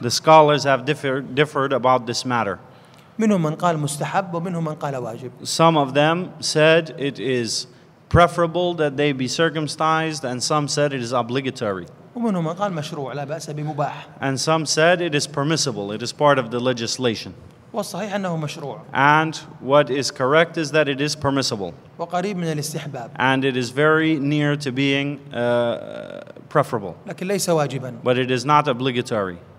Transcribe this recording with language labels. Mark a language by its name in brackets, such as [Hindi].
[English] The scholars have differed about this matter. [Arabic] منهم من قال مستحب ومنهم من قال واجب. [English] Some of them said it is preferable that they be circumcised, and some said it is obligatory. [Arabic] ومنهم من قال مشروع لا بأس بمباح. [English] And some said it is permissible. It is part of the legislation. [Arabic] والصحيح أنه مشروع. [English] And what is correct is that it is permissible. [Arabic] وقريب من الاستحباب. [English] And it is very near to being preferable. [Arabic] لكن ليس واجبا. [English] But it is not obligatory.